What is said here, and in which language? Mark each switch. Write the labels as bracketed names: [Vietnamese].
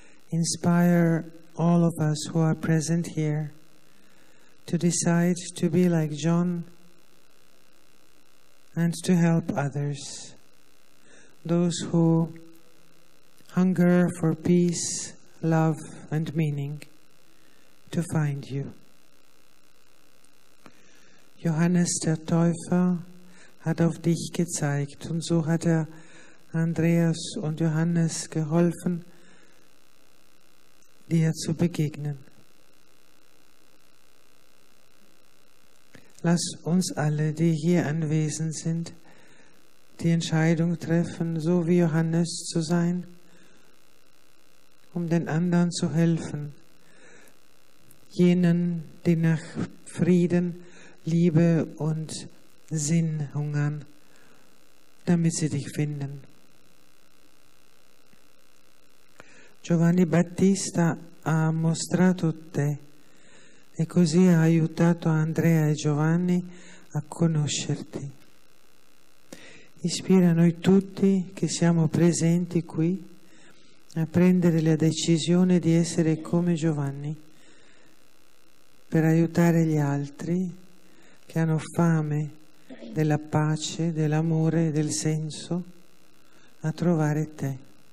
[English] Inspire all of us who are present here to decide to be like John and to help others, those who hunger for peace, love, and meaning to find you. [German] Johannes der Täufer hat auf dich gezeigt und so hat Andreas und Johannes geholfen, dir zu begegnen. Lass uns alle, die hier anwesend sind, die Entscheidung treffen, so wie Johannes zu sein, um den anderen zu helfen, jenen, die nach Frieden, Liebe und Sinn hungern, damit sie dich finden. [Italian] Giovanni Battista ha mostrato te e così ha aiutato Andrea e Giovanni a conoscerti. Ispira noi tutti che siamo presenti qui a prendere la decisione di essere come Giovanni per aiutare gli altri che hanno fame della pace, dell'amore, del senso a trovare te.